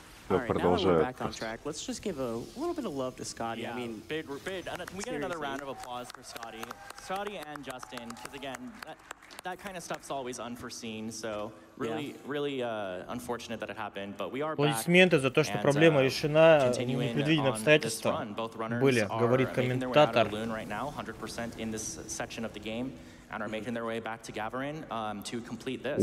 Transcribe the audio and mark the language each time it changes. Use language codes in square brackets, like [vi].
[en] All right, now we're back on track. Let's just give a little bit of love to Scotty. Yeah, I mean, big. Can we get another round of applause for Scotty? Scotty and Justin, because again, that kind of stuff's always unforeseen. So really, really unfortunate that it happened. But we are back. [ru] Аплодисменты за то, что проблема решена, непредвиденные обстоятельства были, говорит комментатор. [en] Right now, 100% in this section of the game. And are making their way back to Gavarin to complete this.